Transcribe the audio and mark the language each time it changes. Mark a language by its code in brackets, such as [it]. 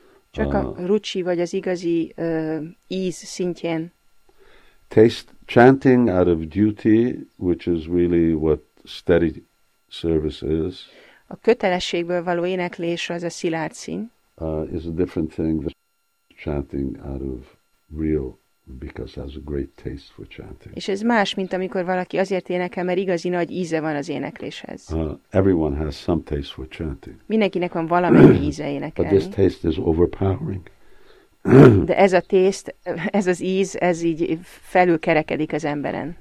[hu] Csak a rucsi, vagy az igazi íz szintjén. [en] Taste, chanting out of duty, which is really what steady service is. [hu] A kötelességből való éneklés az a szilárd szín. [en] Is a different thing than chanting out of real, because has a great taste for chanting. [hu] És ez más, mint amikor valaki azért énekel, mert igazi nagy íze van az énekléshez. [en] Everyone has some taste for chanting. [hu] Mindenkinek van valamennyi íze énekelni. [en] But this taste is overpowering. [hu] De ez a taste, ez az íz, ez így felülkerekedik az emberen.